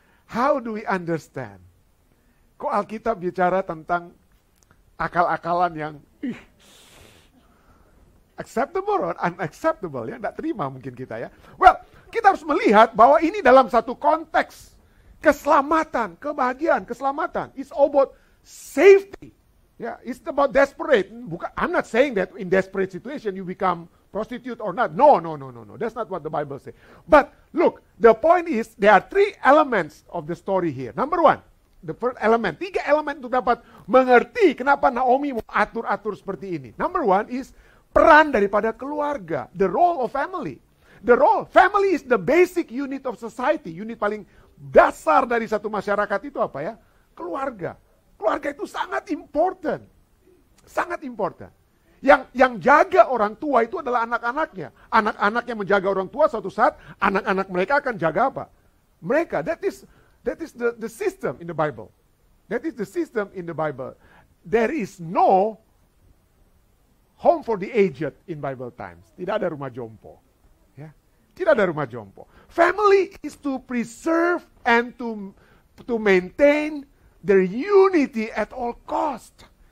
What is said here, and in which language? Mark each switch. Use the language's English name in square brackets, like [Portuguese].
[English] How do we understand? [Indonesian] Kok Alkitab bicara tentang akal-akalan yang [English] acceptable or unacceptable, [Indonesian] ya? Nggak terima mungkin kita ya. Well, kita harus melihat bahwa ini dalam satu konteks keselamatan, kebahagiaan, keselamatan. [English] It's all about safety. Ya, yeah, it's about desperate. I'm not saying that in desperate situation you become prostitute or not. No. That's not what the Bible say. But look, the point is there are three elements of the story here. Number one, the first element. [Indonesian] Tiga elemen untuk dapat mengerti kenapa Naomi mau atur seperti ini. [English] Number one is [Indonesian] peran daripada keluarga, [English] the role of family. The role family is the basic unit of society. [Indonesian] Unit paling dasar dari satu masyarakat itu apa ya? Keluarga. Keluarga itu sangat important. Sangat important. Yang jaga orang tua itu adalah anak-anaknya. Anak-anak yang menjaga orang tua suatu saat, anak-anak mereka akan jaga apa? Mereka. [English] That is the system in the Bible. That is the system in the Bible. There is no home for the aged in Bible times. [Indonesian] Tidak ada rumah jompo. [English] Yeah. Tidak ada rumah jompo. Family is to preserve and to maintain their unity at all cost.